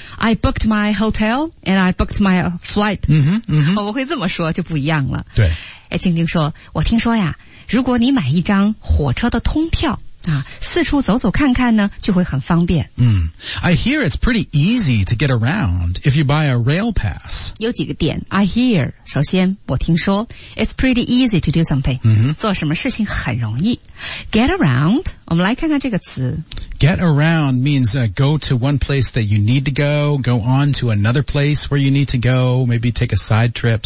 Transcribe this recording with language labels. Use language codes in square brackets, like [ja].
[en] I booked my hotel and I booked my flight. 嗯哼。 [zh] 我会这么说就不一样了。对。静静说我听说呀如果你买一张火车的通票啊，四处走走看看呢，就会很方便。 [en] I hear it's pretty easy to get around if you buy a rail pass. [zh] 有几个点 ， [en] I hear. [zh] 首先，我听说 [en] ，it's pretty easy to do something. [zh] 做什么事情很容易。 [en] Get around. [zh] 我们来看看这个词。 [en] Get around means go to one place that you need to go, go on to another place where you need to go, maybe take a side trip.